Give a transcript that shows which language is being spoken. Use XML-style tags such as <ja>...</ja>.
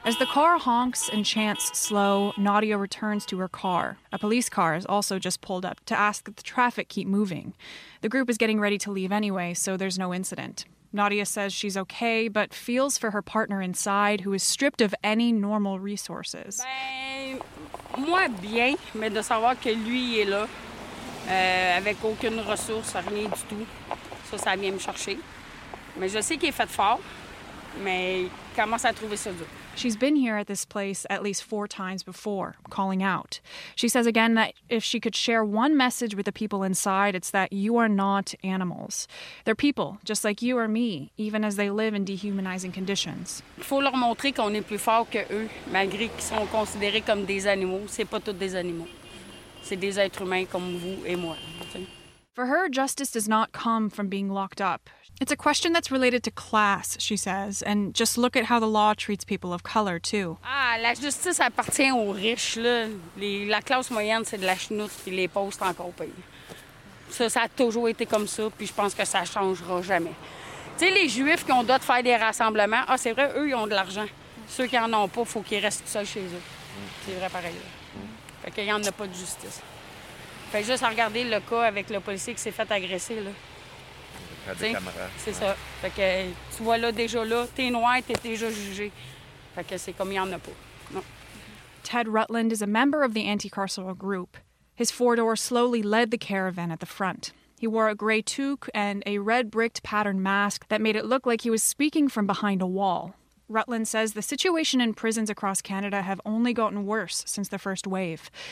<en>Car honks and chants slow, Nadia returns to her car. A police car has also just pulled up to ask that the traffic keep moving. The group is getting ready to leave anyway, so there's no incident. Nadia says she's okay, but feels for her partner inside, who is stripped of any normal resources.</en> <fr>Moi bien, mais de savoir que lui est là, avec aucune ressource, rien du tout. Ça vient me chercher. Mais je sais qu'il est fait fort, mais comment ça trouver ça dur?</fr> <en>She's been here at this place at least four times before, calling out. She says again that if she could share one message with the people inside, it's that you are not animals. They're people, just like you or me, even as they live in dehumanizing conditions.</en> <fr>Il faut leur montrer qu'on est plus fort que eux, malgré qu'ils sont considérés comme des animaux. C'est pas tous des animaux. C'est des êtres humains comme vous et moi.</fr> <en>For her, justice does not come from being locked up. It's a question that's related to class, she says, and just look at how the law treats people of color, too.</en> <fr>Ah, la justice appartient aux riches, là. La classe moyenne, c'est de la chenoute, puis les pauvres, c'est encore pire. Ça a toujours été comme ça, puis je pense que ça changera jamais. Tu sais, les Juifs qui ont droit de faire des rassemblements, ah, c'est vrai, eux, ils ont de l'argent. Ceux qui en ont pas, faut qu'ils restent seuls chez eux. C'est vrai pareil. Fait qu'il y en a pas de justice. Fait juste à regarder le cas avec le policier qui s'est fait agresser, là. C'est ça. Fait que tu vois là, déjà là, t'es noir, t'es déjà jugé. Fait que c'est comme il y en a pas. Non.</fr> <en>Ted Rutland is a member of the anti-carceral group. His four-door slowly led the caravan at the front. He wore a gray toque and a red-bricked patterned mask that made it look like he was speaking from behind a wall. Rutland says the situation in prisons across Canada have only gotten worse since the first wave.</en>